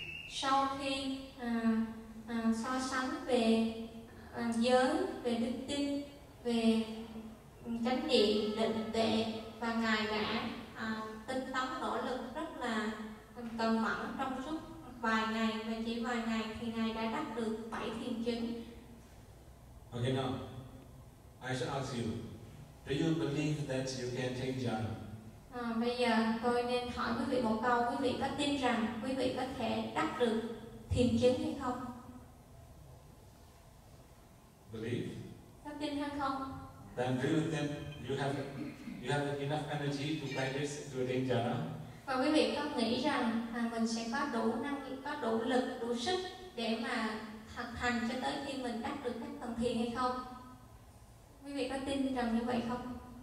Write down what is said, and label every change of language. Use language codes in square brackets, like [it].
[vi] Sau khi so sánh về giới, về đức tin, về chánh niệm, định tuệ, và ngài đã tinh tấn nỗ lực rất là cần mẫn trong suốt vài ngày, và chỉ vài ngày thì ngài đã đắc được 7 thiền chứng. [en] Okay, now I shall ask you, do you believe that you can take jhana? [vi] Bây giờ tôi nên hỏi quý vị một câu, quý vị có tin rằng quý vị có thể đắc được thiền chứng hay không? [en] Believe. [vi] Có tin hay không? [en] Then do you think you have enough energy to practice to attain jhana? [vi] Và quý vị có nghĩ rằng mình sẽ có đủ năng lực, có đủ lực, đủ sức để mà thực hành cho tới khi mình đắc được các tầng thiền hay không? Quý vị có tin rằng như vậy không?